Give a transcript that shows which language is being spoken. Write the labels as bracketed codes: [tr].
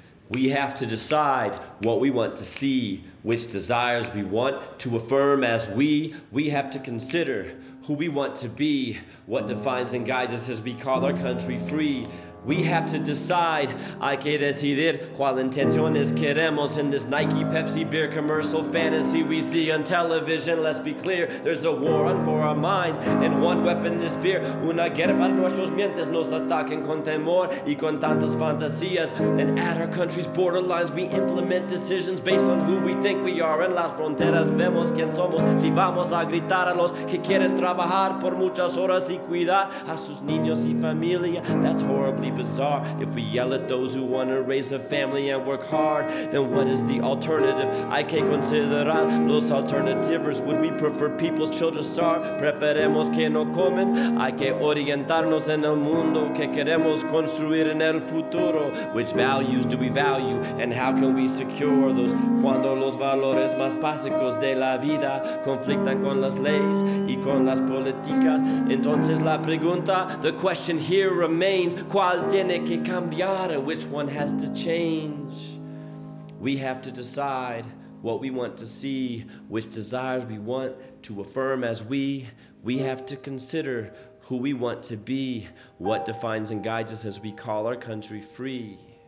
[en] We have to decide what we want to see, which desires we want to affirm as we have to consider who we want to be, what defines and guides us as we call our country free. We have to decide, [es] hay que decidir, cual intenciones queremos [en] in this Nike Pepsi beer commercial fantasy we see on television. Let's be clear, there's a war on for our minds, and one weapon is fear. [es] Una guerra para nuestros mientes, nos ataquen con temor y con tantas fantasías. [en] And at our country's borderlines, we implement decisions based on who we think we are. [es] En las fronteras vemos quién somos, si vamos a gritar a los que quieren trabajar por muchas horas y cuidar a sus niños y familia. [en] That's horrible. Bizarre. If we yell at those who want to raise a family and work hard, then what is the alternative? [es] Hay que considerar los alternativos. [en] Would we prefer people's children starve? [es] Preferemos que no comen. Hay que orientarnos en el mundo que queremos construir en el futuro. [en] Which values do we value, and how can we secure those? [es] Cuando los valores más básicos de la vida conflictan con las leyes y con las políticas, entonces la pregunta, [en] the question here remains, which one has to change? We have to decide what we want to see, which desires we want to affirm as we have to consider who we want to be, what defines and guides us as we call our country free.